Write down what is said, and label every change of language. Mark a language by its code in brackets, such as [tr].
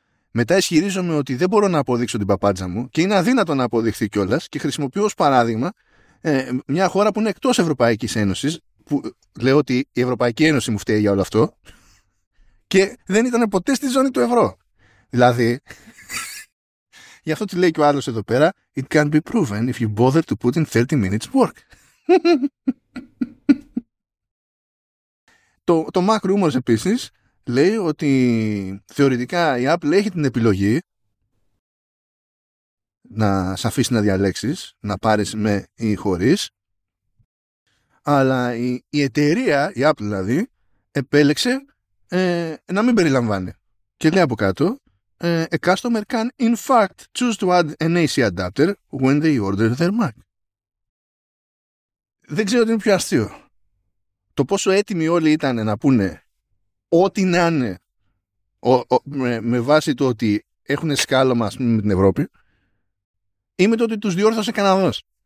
[el] Μετά ισχυρίζομαι ότι δεν μπορώ να αποδείξω την παπάντζα μου και είναι αδύνατο να αποδειχθεί κιόλας, και χρησιμοποιώ ως παράδειγμα μια χώρα που είναι εκτός Ευρωπαϊκής Ένωσης, που λέω ότι η Ευρωπαϊκή Ένωση μου φταίει για όλο αυτό, και δεν ήταν ποτέ στη ζώνη του ευρώ. Δηλαδή... Γι' αυτό τι λέει και ο άλλος εδώ πέρα. [en] It can be proven if you bother to put in 30 minutes work. [el] Το Mac Rumors επίσης λέει ότι θεωρητικά η Apple έχει την επιλογή να σε αφήσει να διαλέξεις, να πάρεις με ή χωρίς. Αλλά η εταιρεία, η Apple δηλαδή, επέλεξε να μην περιλαμβάνει. Και λέει από κάτω, [en] a customer can in fact choose to add an AC adapter when they order their Mac. [el] Δεν ξέρω τι είναι πιο αστείο. Το πόσο έτοιμοι όλοι ήταν να πούνε ό,τι να είναι με βάση το ότι έχουν σκάλωμα, ας πούμε, με την Ευρώπη, ή με το ότι τους διόρθωσε Καναδός.